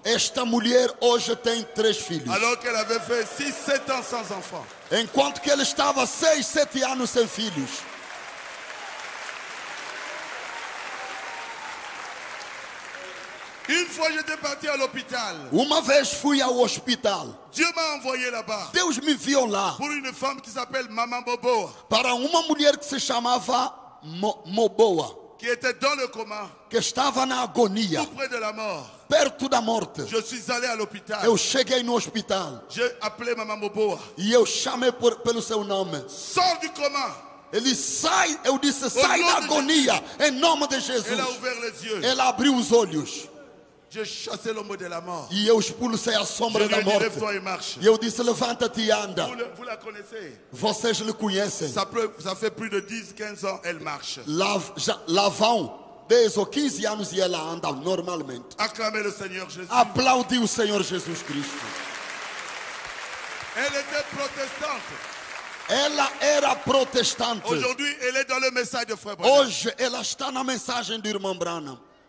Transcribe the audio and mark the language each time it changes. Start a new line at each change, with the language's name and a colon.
Portuguese: Esta mulher hoje tem três filhos.
French: Alors qu'elle avait fait 6-7 ans sans enfant.
Portuguese: Enquanto que ela estava 6-7 anos sem filhos.
French: Une fois j'étais parti à l'hôpital.
Portuguese: Uma vez fui ao hospital.
French: Dieu m'a envoyé là-bas.
Portuguese: Deus me enviou lá.
French: Pour une femme qui s'appelle Maman Boboa.
Portuguese: Para uma mulher que se chamava Moboa.
French: Qui était dans le coma.
Portuguese: Que estava na agonia.
French: Tout près de la mort.
Portuguese: perto da morte.
French: Je suis allé à l'hôpital.
Portuguese: Eu cheguei no hospital.
French: J'ai appelé Mama Boboa.
Portuguese: E eu chamei por, pelo seu nome.
French: Sors du coma.
Portuguese: Ele sai, eu disse, sai da agonia, em nome de Jesus. Ela,
French: ouvert les yeux.
Portuguese: Ela abriu os olhos.
French: J'ai chassé l'ombre de la mort.
Portuguese: E eu expulsei a sombra da morte.
French: Lève-toi et marche.
Portuguese: E eu disse, levanta-te e anda.
French: Vous la connaissez.
Portuguese: Vocês le conhecem.
French: Ça peut, ça fait plus de 10, 15 ans, elle marche.
Portuguese: Lá, já, lá vão 10 ou 15 anos e ela anda normalmente.
French: Acclamez le Seigneur Jésus.
Portuguese: Aplaudi o Senhor Jesus Cristo.
French: Elle était protestante.
Portuguese: Ela era protestante.
French: Aujourd'hui, elle est dans le message de Frère Branham.
Portuguese: Hoje ela está na mensagem do irmão Branham.